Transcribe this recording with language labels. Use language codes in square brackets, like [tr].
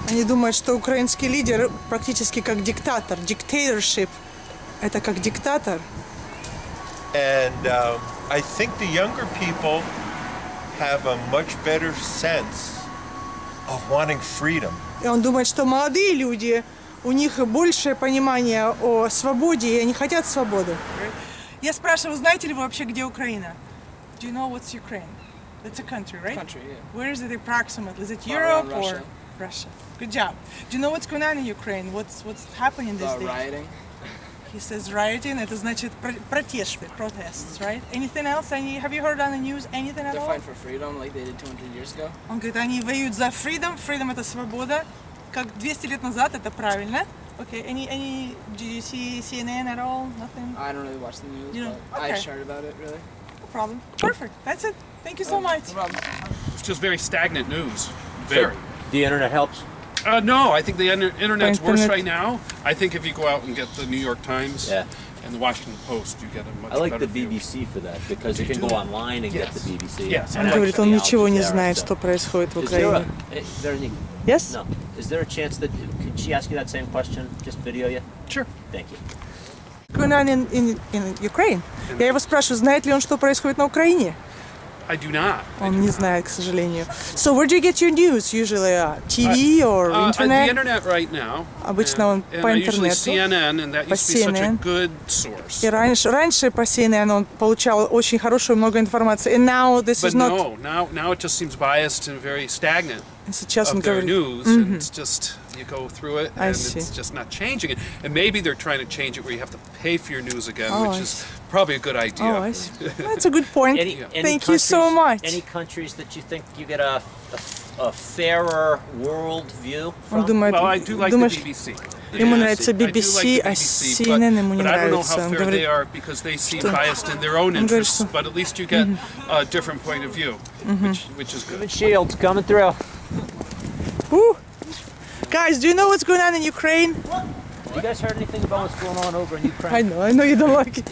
[ru] Они думают, что украинский лидер практически как диктатор, dictatorship. Это как диктатор. [en] And I think the younger people have a much better sense of wanting freedom. [ru] И он думает, что молодые люди, у них большее понимание о свободе, и они хотят свободы. Я спрашиваю, знаете ли вы вообще, где Украина? [en] Do you know what's Ukraine? It's a country, right? Country, yeah. Where is it approximately? Is it Europe or Russia? Good job. Do you know what's going on in Ukraine? What's happening these days? Rioting. He says rioting, [ru] это значит [en] protests, right? Anything else? Have you heard on the news anything at all? They're fighting for freedom like they did 200 years ago. [ru] Он говорит, они воюют за freedom. Freedom это свобода. Как 200 лет назад, это правильно. [en] Okay, any, do you see CNN at all? Nothing? I don't really watch the news, you know, but okay. I just heard about it, really. No problem. Perfect. That's it. Thank you so much. No problem. It's just very stagnant news. Very. Sure. The internet helps. No, I think the internet's worse right now. I think if you go out and get the New York Times and the Washington Post, you get a much better view. I like the BBC For that, because you can go online and get the BBC. Yes. [ru] Он говорит, он ничего не знает, что происходит в Украине. [en] Yes? No. Is there a chance that, could she ask you that same question, just video you? Sure. Thank you. Going on in Ukraine. [ru] Я его спрашиваю, знает ли он, что происходит на Украине? [en] I do not. [ru] Он не знает, к сожалению. [en] So where do you get your news? Usually TV or internet? The internet right now. [ru] Обычно он по интернету. [en] Usually CNN, and that used to be such a good source. [ru] И раньше по CNN он получал очень хорошую много информации. [en] And now this is not. But now it just seems biased and very stagnant. And [ru] сейчас он говорит. [en] News, and it's just you go through it, and it's just not changing it. And maybe they're trying to change it where you have to pay for your news again, which is. Probably a good idea. Oh, I see. That's a good point. Thank you so much. Any countries that you think you get a fairer world view from? Well, I do like the BBC. [ru] Ему нравится BBC, а CNN ему не нравится. [en] But I don't know how fair they are because they seem biased in their own interests. But at least you get a different point of view, which is good. Human shields coming through. Woo! Guys, do you know what's going on in Ukraine? You guys heard anything about what's going on over in Ukraine? I know you don't like it.